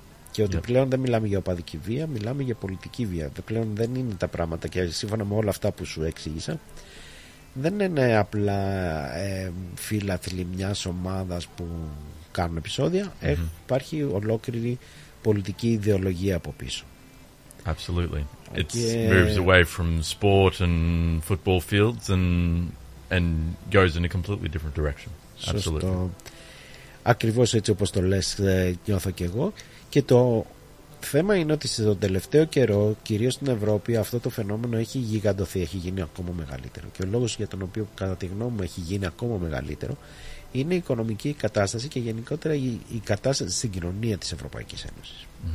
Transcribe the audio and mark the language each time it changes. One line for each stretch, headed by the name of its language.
Greek: Και ότι πλέον δεν μιλάμε για οπαδική βία, μιλάμε για πολιτική βία. Πλέον δεν είναι τα πράγματα, και σύμφωνα με όλα αυτά που σου εξήγησα, δεν είναι απλά φίλαθλοι μιας ομάδας που κάνουν επεισόδια. Υπάρχει ολόκληρη πολιτική ιδεολογία από πίσω.
English: Absolutely. Okay. It moves away from sport and football fields and goes in a completely different direction. Absolutely.
Greek: Σωστό. Ακριβώς έτσι όπως το λες, νιώθω και εγώ. Και το θέμα είναι ότι στον τελευταίο καιρό, κυρίως στην Ευρώπη, αυτό το φαινόμενο έχει γιγαντωθεί, έχει γίνει ακόμα μεγαλύτερο. Και ο λόγος για τον οποίο, κατά τη γνώμη μου, έχει γίνει ακόμα μεγαλύτερο είναι η οικονομική κατάσταση και γενικότερα η κατάσταση στην κοινωνία της Ευρωπαϊκής Ένωσης.